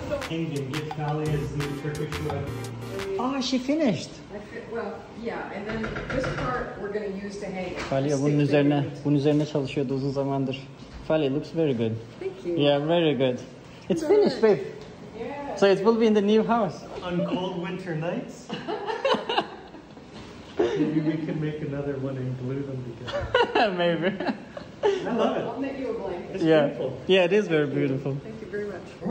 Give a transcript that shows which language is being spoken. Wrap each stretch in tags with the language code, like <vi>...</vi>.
<en>Engin, give Kali his new Turkish wife. Oh, she finished. And then this part we're going to use to hang.</en> <tr>Falia, bunun üzerine çalışıyordu uzun zamandır.</tr> <en>Falia, looks very good. Thank you. Yeah, very good. It's good. Finished, babe. Yeah. So it will be in the new house. On cold winter nights. Maybe we can make another one and glue them together. Maybe. I love it. I'll make you a blanket. It's beautiful. Yeah, it is very beautiful. Thank you very much.</en>